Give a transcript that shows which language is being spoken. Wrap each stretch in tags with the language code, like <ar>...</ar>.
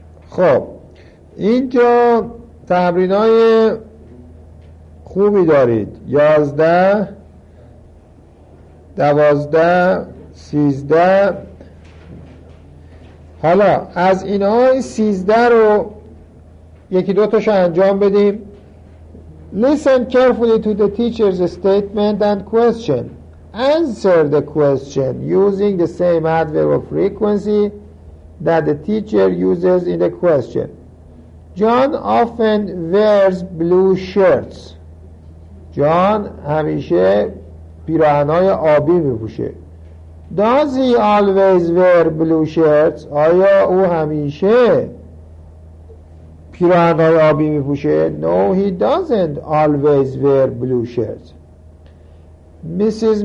<fa>خب اینجا تمرین های خوبی دارید. 11 12 13. حالا از اینها 13 رو یکی دو تاشو انجام بدیم.</fa> <en>Listen carefully to the teacher's statement and question. Answer the question using the same adverb of frequency that the teacher uses in the question. John often wears blue shirts.</en> <fa>John همیشه پیراهنهای آبی میپوشه.</fa> <en>Does he always wear blue shirts?</en> <fa>آیا او همیشه پیراهنهای آبی میپوشه؟</fa> <en>No, he doesn't always wear blue shirts. Mrs.</en>